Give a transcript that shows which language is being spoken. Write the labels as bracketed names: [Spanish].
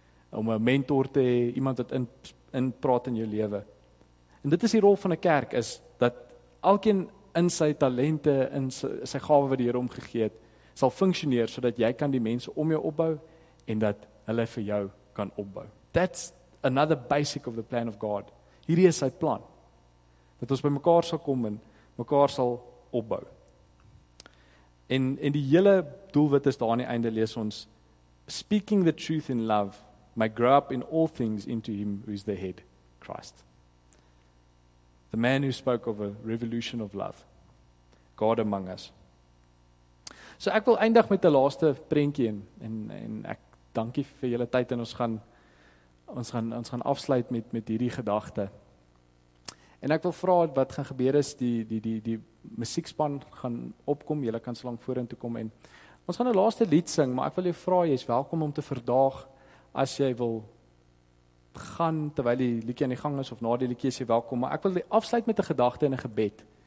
[Afrikaans] Om 'n mentor te hê, iemand wat in praat in jou lewe. En dit is die rol van 'n kerk, is dat elkeen in sy talente, in sy gawe wat die Here hom gegee het, sal funksioneer sodat jy kan die mense om jou opbou en dat hulle vir jou kan opbou. [English] That's another basic of the plan of God. [Afrikaans] Hierdie is sy plan. Dat ons by mekaar sal kom en mekaar sal opbou. En die hele doelwit is daar aan die einde, lees ons, [English] speaking the truth in love, may grow up in all things into him who is the head, Christ. The man who spoke of a revolution of love, God among us. [Afrikaans] So ek wil eindig met 'n laaste prentjie en ek dankie vir julle tyd en ons gaan afsluit met hierdie gedagte. En ek wil vra wat gaan gebeur is, die musiekspan gaan opkom, julle kan so lank vorentoe kom en ons gaan 'n laaste lied sing, maar ek wil jou vra, jy's welkom om te verdaag as jy wil gaan terwyl die liedjie aan die gang is of na die liedjie, jy welkom, maar ek wil afsluit met 'n gedagte en 'n gebed.